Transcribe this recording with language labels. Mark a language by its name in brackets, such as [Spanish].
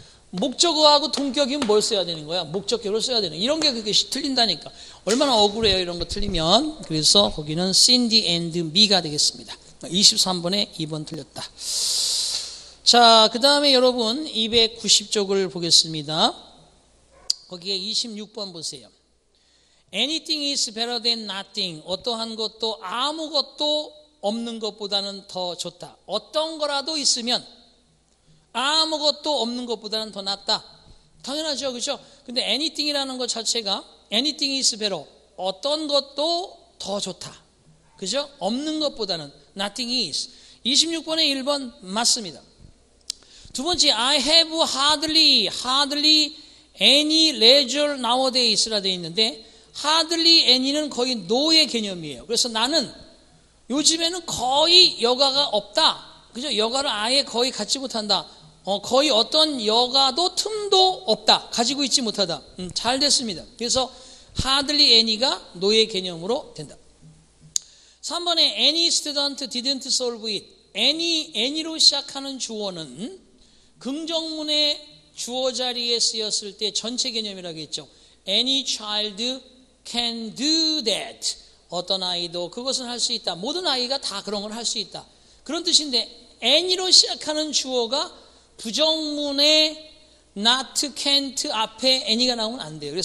[Korean] 목적어하고 동격이면 뭘 써야 되는 거야? 목적격을 써야 되는 거야. 이런 게 그렇게 틀린다니까. 얼마나 억울해요, 이런 거 틀리면. 그래서 거기는 seen the end me가 되겠습니다. 23번에 2번 틀렸다. 자, 그 다음에 여러분 290쪽을 보겠습니다. 거기에 26번 보세요. [English] Anything is better than nothing. [Korean] 어떠한 것도 아무것도 없는 것보다는 더 좋다. 어떤 거라도 있으면 아무것도 없는 것보다는 더 낫다. 당연하죠, 그렇죠? 근데 anything이라는 것 자체가 anything is better. 어떤 것도 더 좋다. 그죠? 없는 것보다는 nothing is. 26번의 1번 맞습니다. 두 번째, [English] I have hardly any leisure nowadays [Korean] 라 되어 있는데 hardly any는 거의 no의 개념이에요. 그래서 나는 요즘에는 거의 여가가 없다. 그죠? 여가를 아예 거의 갖지 못한다. 거의 어떤 여가도 틈도 없다. 가지고 있지 못하다. 잘 됐습니다. 그래서 hardly any가 no의 개념으로 된다. [English] 3번에 any student didn't solve it. [Korean] any로 시작하는 주어는 긍정문의 주어 자리에 쓰였을 때 전체 개념이라고 했죠. [English] Any child can do that. [Korean] 어떤 아이도 그것은 할 수 있다. 모든 아이가 다 그런 걸 할 수 있다. 그런 뜻인데 any로 시작하는 주어가 부정문의 not, can't 앞에 any가 나오면 안 돼요.